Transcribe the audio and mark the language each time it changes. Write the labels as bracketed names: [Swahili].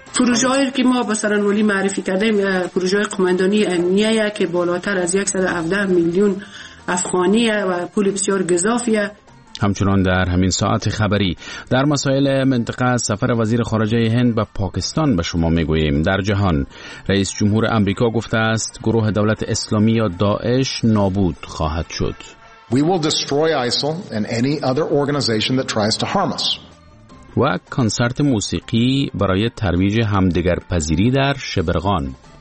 [Persian] پروژه هایی که ما به سرانوالی معرفی کرده ایم پروژه های قماندانی امنیه که بالاتر از 117 میلیون افغانیه و پول بسیار گزافیه. همچنان در همین ساعت خبری در مسائل منطقه سفر وزیر خارجه هند به پاکستان به شما میگوییم. در جهان رئیس جمهور آمریکا گفته است گروه دولت اسلامی یا داعش نابود خواهد شد. [English] We will destroy ISIL and any other organization that tries to harm us. [Persian] و کنسرت موسیقی برای ترویج همدیگرپذیری در شبرغان.